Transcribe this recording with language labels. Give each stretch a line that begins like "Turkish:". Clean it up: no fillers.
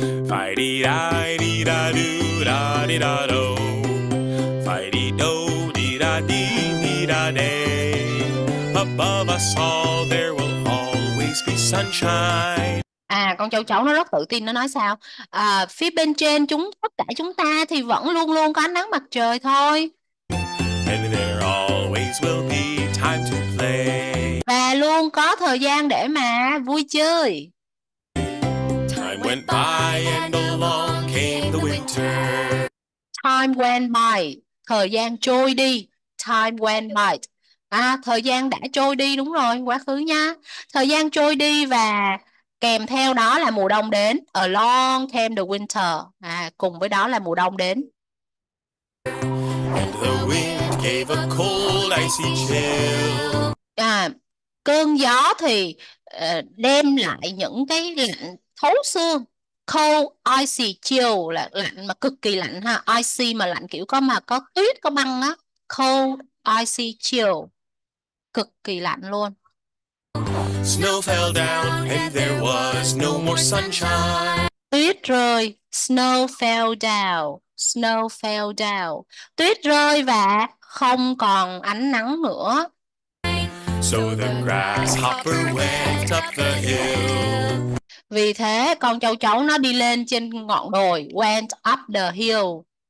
English: Phải đi đai đi đa đu đa đi đa đô, phải đi đâu đi đa đê. Above us all, there will always be sunshine.
Vietnamese: À, con châu chấu nó rất tự tin, nó nói sao? À, phía bên trên chúng tất cả chúng ta thì vẫn luôn luôn có ánh nắng mặt trời thôi.
English: And there always will be time to play.
Vietnamese: Và luôn có thời gian để mà vui chơi.
English: Time went by and along came the winter. Time went by,
Vietnamese: thời gian trôi đi.
English: Time went by.
Vietnamese: À, thời gian đã trôi đi, đúng rồi, quá khứ nha. Thời gian trôi đi và kèm theo đó là mùa đông đến.
English: Along came the winter.
Vietnamese: À, cùng với đó là mùa đông đến.
English: And the wind gave a cold icy chill.
Vietnamese: À, cơn gió thì đem lại những cái lạnh thấu xương.
English: Cold icy chill
Vietnamese: là lạnh mà cực kỳ lạnh ha. Icy mà lạnh kiểu có mà có tuyết có băng á. Cold icy chill, cực kỳ lạnh luôn.
English: Snow fell down and there was no more sunshine.
Vietnamese: Tuyết rơi,
English: snow fell down, snow fell down.
Vietnamese: Tuyết rơi và không còn ánh nắng nữa.
English: So the grasshopper went up the hill.
Vietnamese: Vì thế con châu chấu nó đi lên trên ngọn đồi,
English: went up the hill.